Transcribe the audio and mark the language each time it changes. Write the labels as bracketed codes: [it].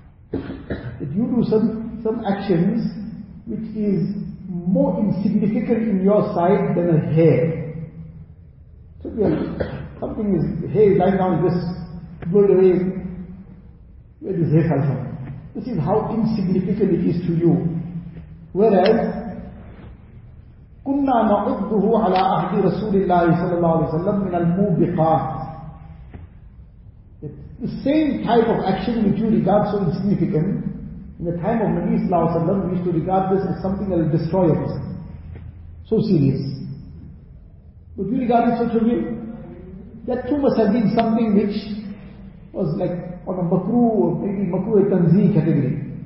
[en] That you do some actions which is more insignificant in your sight than a hair. So yeah, something is hay lying down, this blown away. Where does hay come from? This is how insignificant it is to you. Whereas [ar] كنا نعده على عهد رسول الله صلى الله عليه وسلم من الموبقات. [en] The same type of action which you regard so insignificant, in the time of Nabi [ar] صلى الله عليه وسلم, [en] we used to regard this as something that will destroy us. So serious. But you regard it so trivial? That too must have been something which was like on a makruh, or maybe makruh tanzih category.